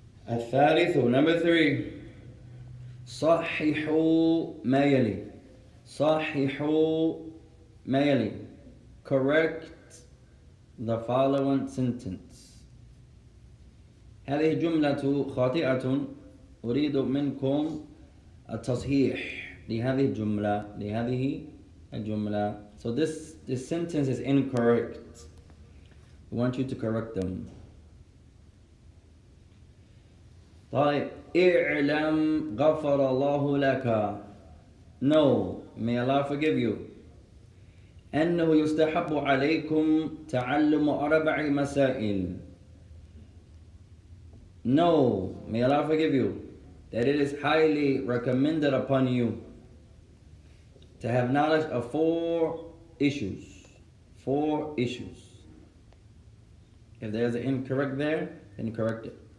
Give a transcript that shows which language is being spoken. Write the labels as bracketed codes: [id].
[ar] الثالث, [en] number three. [ar] صححوا ما يلي. صححوا ما يلي. [en] Correct the following sentence. [ar] هذه جملة خاطئة. أريد منكم التصحيح لهذه الجملة. لهذه الجملة. [en] So this sentence is incorrect. We want you to correct them. [ar] طيب اعلم غفر الله لك. [en] No, may Allah forgive you. [ar] أنه يستحب عليكم تعلم أربع مسائل. [en] No, may Allah forgive you, that it is highly recommended upon you to have knowledge of four issues. If there is an incorrect there, then correct it.